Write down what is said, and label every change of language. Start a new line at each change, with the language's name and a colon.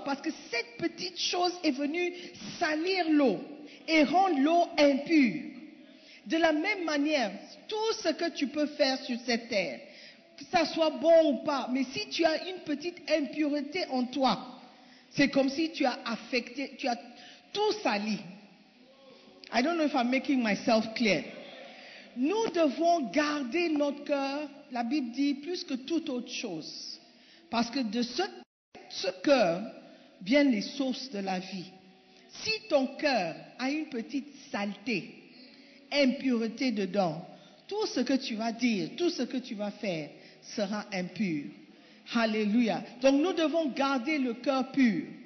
French: Parce que cette petite chose est venue salir l'eau et rendre l'eau impure. De la même manière, tout ce que tu peux faire sur cette terre, que ça soit bon ou pas, mais si tu as une petite impureté en toi, c'est comme si tu as affecté, tu as tout sali.
English: I don't know if I'm making myself clear.
French: Nous devons garder notre cœur, la Bible dit, plus que toute autre chose. Parce que de ce cœur viennent les sources de la vie. Si ton cœur a une petite saleté, impureté dedans, tout ce que tu vas dire, tout ce que tu vas faire, sera impur. Alléluia. Donc nous devons garder le cœur pur.